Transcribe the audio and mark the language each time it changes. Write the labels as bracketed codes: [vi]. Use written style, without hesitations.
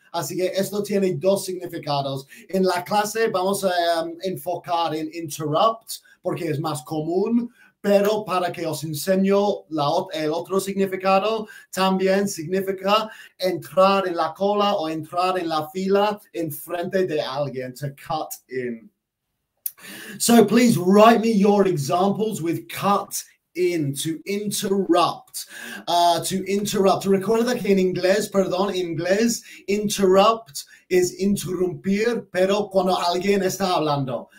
[es] Así que esto tiene dos significados. En la clase vamos a enfocar en interrupt, porque es más común. Pero para que os enseño el otro significado, también significa entrar en la cola o entrar en la fila en frente de alguien, to cut in. [en] So please write me your examples with cut in, to interrupt. [es] Recuerda que en inglés, interrupt es interrumpir, pero cuando alguien está hablando.